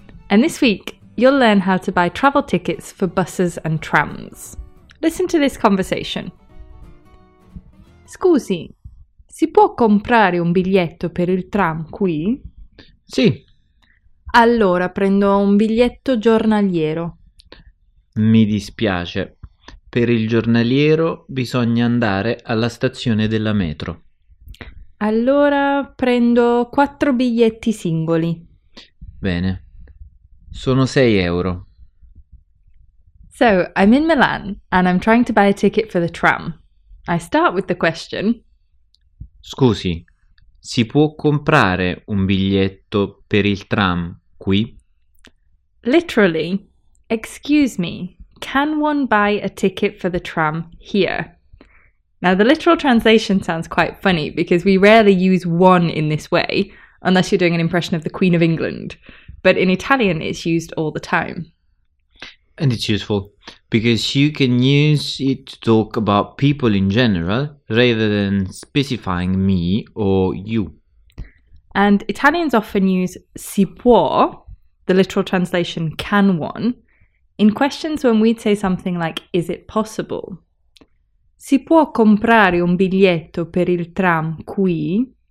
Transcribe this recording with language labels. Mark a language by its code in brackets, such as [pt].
[en] And this week, you'll learn how to buy travel tickets for buses and trams. Listen to this conversation. [it] Scusi, si può comprare un biglietto per il tram qui? Sì. Allora prendo un biglietto giornaliero. Mi dispiace. Per il giornaliero bisogna andare alla stazione della metro. Allora prendo 4 biglietti singoli. Bene. Sono 6 euro. [en] So, I'm in Milan and I'm trying to buy a ticket for the tram. I start with the question. [it] Scusi, si può comprare un biglietto per il tram qui? [en] Literally, excuse me, can one buy a ticket for the tram here? Now, the literal translation sounds quite funny because we rarely use one in this way, unless you're doing an impression of the Queen of England. But in Italian, it's used all the time. And it's useful because you can use it to talk about people in general rather than specifying me or you. And Italians often use [it] si può, [en] the literal translation can one, in questions when we'd say something like, is it possible? [it] Si può comprare un biglietto per il tram qui?